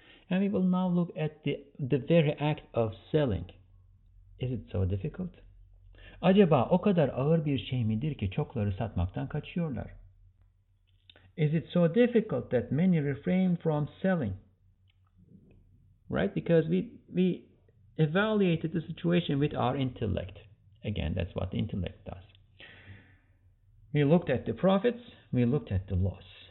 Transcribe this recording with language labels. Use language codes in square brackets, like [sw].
[en] And we will now look at the very act of selling. Is it so difficult? [tr] Acaba o kadar ağır bir şey midir ki çokları satmaktan kaçıyorlar? [en] Is it so difficult that many refrain from selling? Right? Because we evaluated the situation with our intellect. Again, that's what the intellect does. We looked at the profits, we looked at the loss.